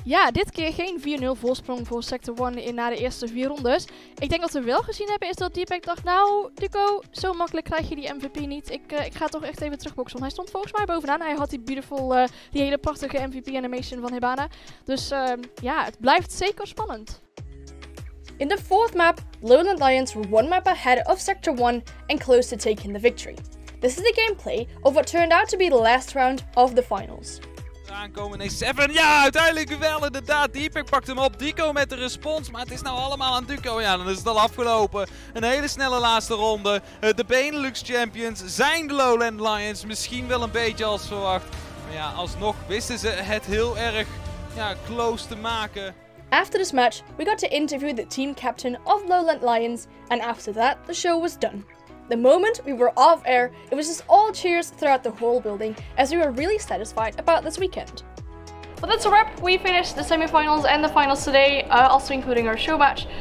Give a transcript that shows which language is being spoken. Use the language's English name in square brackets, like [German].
[Dutch] Ja, dit keer geen 4-0 voorsprong voor Sector 1 na de eerste 4 rondes. Ik denk wat we wel gezien hebben is dat Deepak dacht, nou Duco, zo makkelijk krijg je die MVP niet. Ik ga toch echt even terugboxen, want hij stond volgens mij bovenaan. Hij had die [English] beautiful, [Dutch] die hele prachtige MVP animation van Hibana. Dus ja, het blijft zeker spannend. [English] In the fourth map, Lowland Lions were one map ahead of Sector 1 and close to taking the victory. This is the gameplay of what turned out to be the last round of the finals. [Dutch] Aankomen in 7. Ja, uiteindelijk wel inderdaad. Deepak pakt hem op. Duco met de respons. Maar het is nou allemaal aan Duco. Ja, dan is het al afgelopen. Een hele snelle laatste ronde. De Benelux Champions zijn de Lowland Lions. Misschien wel een beetje als verwacht. Maar ja, alsnog wisten ze het heel erg close te maken. [English] After this match, we got to interview the team captain of Lowland Lions, and after that, the show was done. The moment we were off air, it was just all cheers throughout the whole building, as we were really satisfied about this weekend. Well, that's a wrap. We finished the semifinals and the finals today, also including our show match.